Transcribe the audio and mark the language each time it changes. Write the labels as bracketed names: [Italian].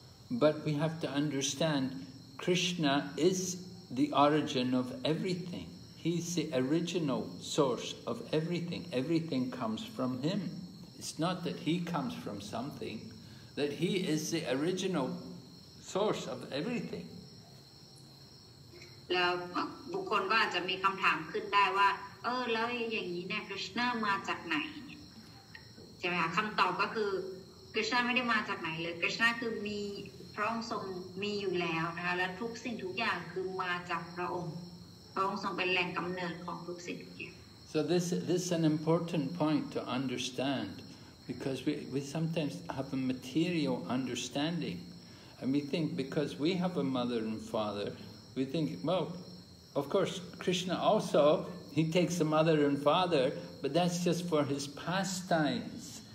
[English] But we have to understand Krishna is the origin of everything. He's the original source of everything. Everything comes from him. It's not that he comes from something, that he is the original source of everything. [Thai] แล้วบุคคลก็อาจจะมีคำถามขึ้นได้ว่าเออแล้วอย่างนี้เนี่ยคริชนามาจากไหนใช่ไหมคะคำตอบก็คือคริชนาไม่ได้มาจากไหนเลยคริชนาคือมีพระองค์ทรงมีอยู่แล้วนะคะและทุกสิ่งทุกอย่างคือมาจากพระองค์พระองค์ทรงเป็นแหล่งกำเนิดของทุกสิ่งทุกอย่าง [English] so this is an important point to understand because we sometimes have a material understanding and we think because we have a mother and father we think well of course Krishna alsoHe takes a mother and father, but that's just for his pastimes.